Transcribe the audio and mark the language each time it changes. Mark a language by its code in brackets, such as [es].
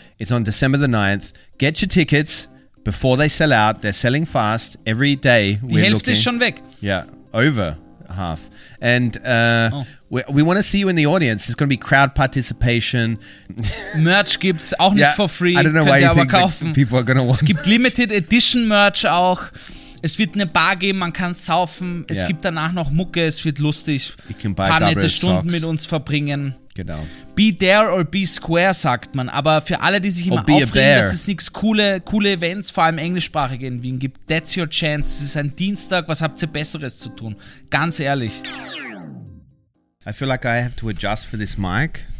[en] It's on December the 9th. Get your tickets before they sell out. They're selling fast. Every day we're looking. [de] Die Hälfte ist schon weg. [en] Yeah, over half. And we want to see you in the audience. There's going to be crowd participation. [de] Merch gibt's auch nicht [en] for free. I don't know why you think people are going to want [de] it. Es gibt limited edition merch auch. Es wird eine Bar geben, man kann saufen. Yeah. Es gibt danach noch Mucke, es wird lustig. [en] You can buy paar [de] nette Stunden [en] socks [de] mit uns verbringen. Genau. [en] Be there or be square, [de] sagt man. Aber für alle, die sich immer aufregen, dass es nichts coole Events, vor allem englischsprachige in Wien gibt, [en] that's your chance. [de] Es ist ein Dienstag, was habt ihr Besseres zu tun? Ganz ehrlich. [en] I feel like I have to adjust for this mic.